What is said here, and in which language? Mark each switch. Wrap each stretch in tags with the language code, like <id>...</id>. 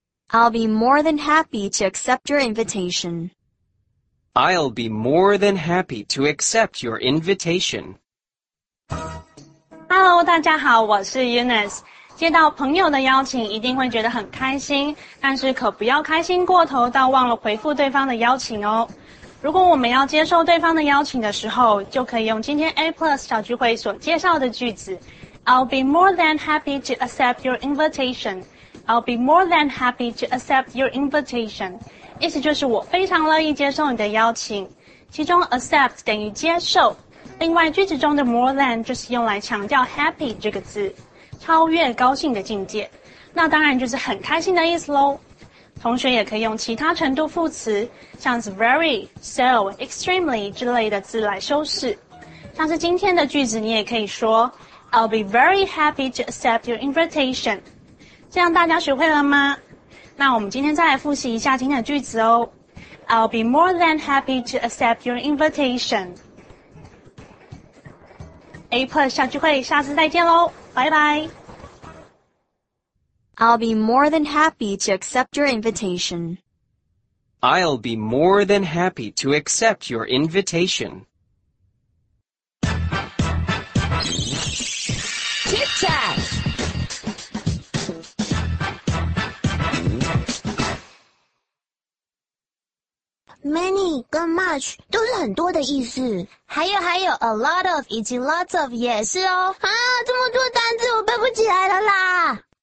<en>I'll be more than happy to accept your invitation. I'll be more than happy to accept your invitation.</en> <zh>Hello, 大家好，我是 Eunice。接到朋友的邀请，一定会觉得很开心，但是可不要开心过头到忘了回复对方的邀请哦。如果我们要接受对方的邀请的时候，就可以用今天 A+ 小聚会所介绍的句子。</zh> <en>I'll be more than happy to accept your invitation. I'll be more than happy to accept your invitation.</en> <zh>意思就是我非常乐意接受你的邀请。其中 accept 等于接受。另外句子中的 more than 就是用来强调 happy 这个字，超越高兴的境界。那当然就是很开心的意思咯。同学也可以用其他程度副词，像是 very, so, extremely 之类的字来修饰。像是今天的句子你也可以说</zh> <en>I'll be very happy to accept your invitation。</en> <zh>这样大家学会了吗？那我们今天再来复习一下今天的句子哦。</zh> <en>I'll be more than happy to accept your invitation.</en> <zh>A plus 小聚会，下次再见咯，拜拜。</zh> <en>I'll be more than happy to accept your invitation. I'll be more than happy to accept your invitation. Tic Tac.</en> <zh>Many 跟 much 都是很多的意思，还有 a lot of 以及 lots of 也是哦。啊，这么多单字我背不起来了啦。</zh>